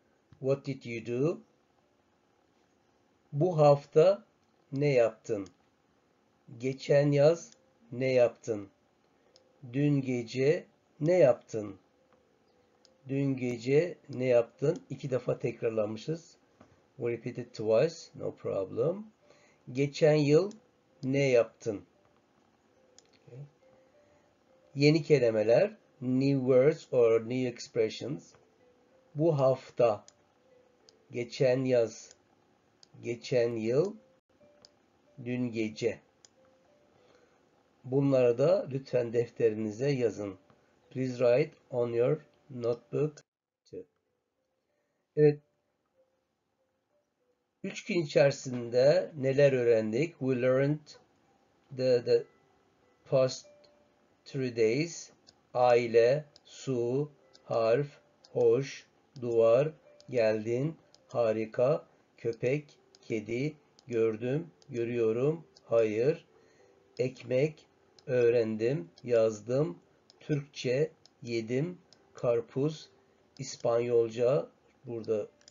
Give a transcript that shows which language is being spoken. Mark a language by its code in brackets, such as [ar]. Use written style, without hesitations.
[en] What did you do? [tr] Bu hafta ne yaptın? Geçen yaz ne yaptın? Dün gece ne yaptın? Dün gece ne yaptın? İki defa tekrarlanmışız. [en] We repeated twice, no problem. [tr] Geçen yıl ne yaptın? Yeni kelimeler, [en] new words or new expressions. [tr] Bu hafta, geçen yaz, geçen yıl, dün gece. Bunları da lütfen defterinize yazın. [en] Please write on your notebook too. [tr] Evet. 3 gün içerisinde neler öğrendik? [en] We learned the past 3 days. [tr] Aile, su, harf, hoş, duvar, geldin, harika, köpek, kedi, gördüm, görüyorum, hayır, ekmek, öğrendim, yazdım, Türkçe, yedim, karpuz, İspanyolca, burada